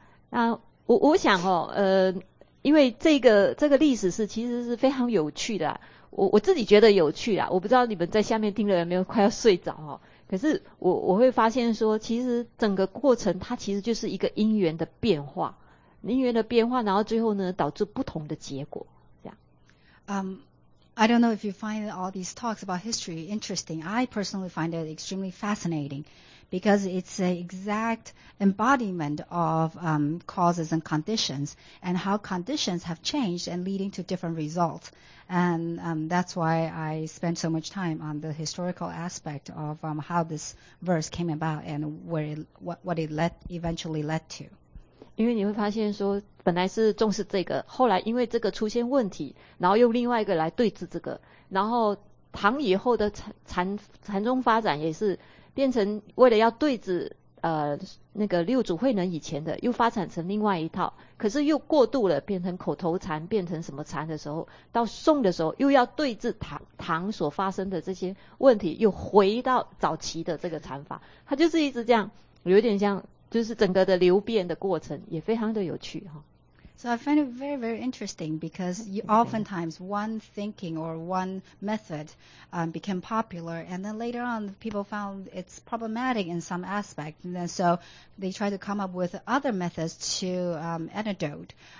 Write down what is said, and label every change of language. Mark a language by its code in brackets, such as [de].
[zh] 那我想哦，因为这个历史是其实是非常有趣的，我自己觉得有趣啦。我不知道你们在下面听了有没有快要睡着哦。可是我会发现说，其实整个过程它其实就是一个因缘的变化，因缘的变化，然后最后呢导致不同的结果，这样。 [en] I don't know if you find all these talks about history interesting. I personally find it extremely fascinating because it's an exact embodiment of causes and conditions and how conditions have changed and leading to different results. And that's why I spend so much time on the historical aspect of how this verse came about and what it eventually led to. [zh] 因为你会发现说，本来是重视这个，后来因为这个出现问题，然后用另外一个来对峙这个，然后唐以后的禅宗发展也是变成为了要对峙那个六祖慧能以前的，又发展成另外一套，可是又过度了，变成口头禅，变成什么禅的时候，到宋的时候又要对峙唐所发生的这些问题，又回到早期的这个禅法，它就是一直这样，有点像就是整个的流变的过程也非常的有趣哈。 [en] So I find it very, very interesting because you oftentimes one thinking or one method became popular and then later on people found it's problematic in some aspect. And then so they try to come up with other methods to antidote